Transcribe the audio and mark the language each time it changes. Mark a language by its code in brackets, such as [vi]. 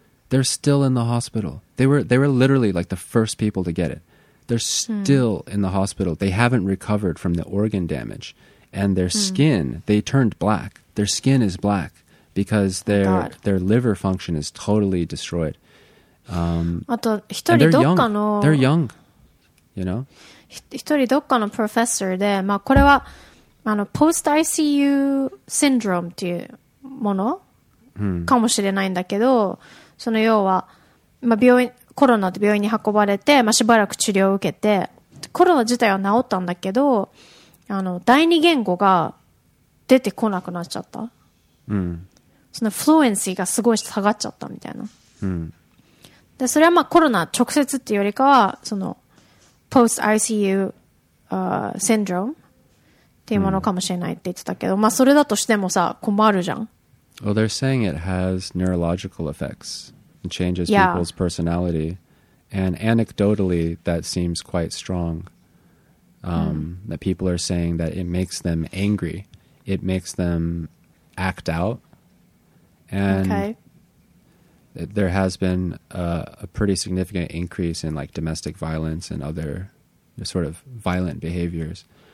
[en] They're still in the hospital. They were literally like the first people to get it. They're still in the hospital. They haven't recovered from the organ damage. And their skin, they turned black. Their skin is black because their liver function is totally destroyed. They're young, you know? [ja] 一人どっかのプロフェッサーで、まあ、これはあのポスト ICU シンドロームっていうものかもしれないんだけど、その要は、まあ、病院コロナで病院に運ばれて、まあ、しばらく治療を受けてコロナ自体は治ったんだけど、あの第二言語が出てこなくなっちゃった、そのフルエンシーがすごい下がっちゃったみたいな、でそれはまあコロナ直接っていうよりかはそのPost ICU syndrome っていうものかもしれないって言ってたけど、まあそれだとしてもさ困るじゃん。 [en] Well, they're saying it has neurological effects and changes people's personality, and anecdotally that seems quite strong. That people are saying that it makes them angry, it makes them act out, and there has been a pretty significant increase in like domestic violence and other sort of violent behaviors.